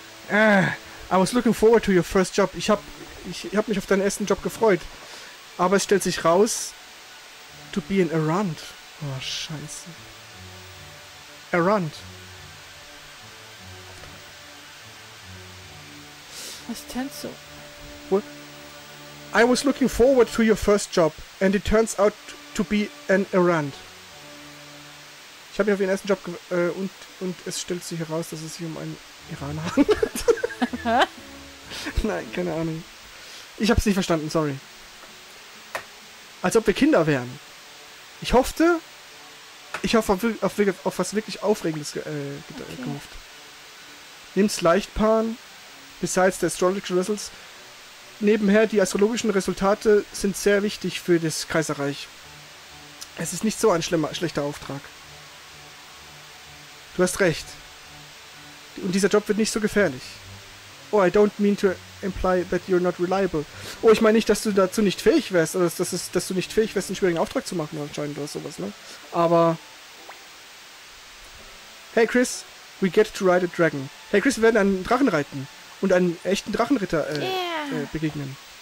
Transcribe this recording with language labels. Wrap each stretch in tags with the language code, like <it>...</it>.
<en>I was looking forward to your first job.</en> <de>Ich hab mich auf deinen ersten Job gefreut. Aber es stellt sich raus,</de> <en>to be an errand.</en> <de>Oh, scheiße. Errand. Was denn so?</de> <en>What? I was looking forward to your first job and it turns out to be an errand.</en> <de>Ich habe mich auf ihren ersten Job und es stellt sich heraus, dass es sich um einen Iraner handelt. Nein, keine Ahnung. Ich habe es nicht verstanden, sorry. Als ob wir Kinder wären. Ich hoffe auf was wirklich Aufregendes gehofft. Nimm's leicht, Pan.</de> <en>Besides the astrological results.</en> <de>Nebenher, die astrologischen Resultate sind sehr wichtig für das Kaiserreich. Es ist nicht so ein schlechter Auftrag. Du hast recht. Und dieser Job wird nicht so gefährlich.</de> <en>Oh, I don't mean to imply that you're not reliable.</en> <de>Oh, ich meine nicht, dass du dazu nicht fähig wärst, oder dass du nicht fähig wärst, einen schwierigen Auftrag zu machen, anscheinend, oder sowas, ne? Aber...</de> <en>Hey, Chris, we get to ride a dragon.</en> <de>Hey, Chris, wir werden einen Drachen reiten. Und einen echten Drachenritter begegnen.</de>